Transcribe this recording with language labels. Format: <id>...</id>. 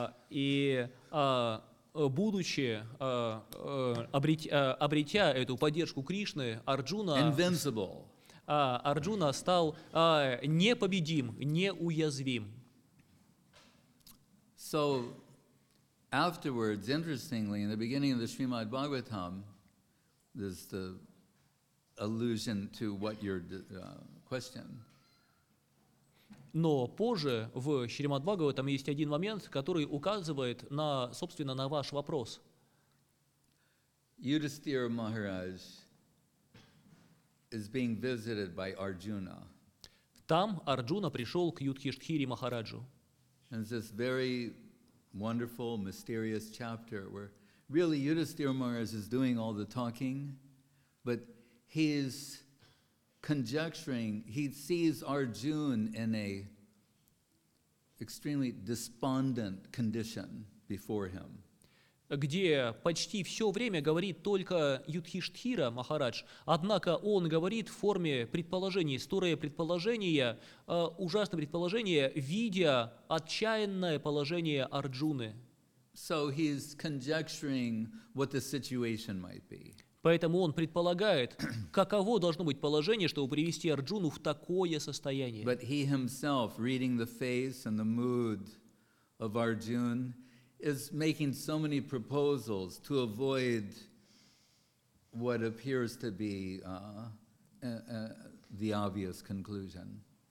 <ru>И будучи обретя эту поддержку Кришны, Арджуна</ru> <en>Invincible.</en> <ru>Арджуна стал непобедим, неуязвим.</ru> <en>So afterwards, interestingly, in the beginning of the Srimad Bhagavatam, there's the allusion to what your question.</en> <ru>Но позже в Шримад-Бхагаватам есть один момент, который указывает на, собственно, на ваш вопрос.</ru> <en>Yudhisthira Maharaj is being visited by Arjuna.</en> <ru>Там Арджуна пришел к Юдхиштхире Махараджу.</ru> <en>And this very wonderful, mysterious chapter where really Yudhisthira Maharaj is doing all the talking, but he's conjecturing, he sees Arjuna in a extremely despondent condition before him.</en> <ru>Где почти все время говорит только Юдхиштхира Махарадж, однако он говорит в форме предположений, стурая предположения, ужасное предположение, видя отчаянное положение Арджуны.</ru> <en>So he's conjecturing what the situation might be.</en> <ru>Поэтому он предполагает, каково должно быть положение, чтобы привести Арджуну в такое состояние.</ru> <en>But he himself, reading the face and the mood of Arjuna, is making so many proposals to avoid what appears to be the obvious conclusion.</en>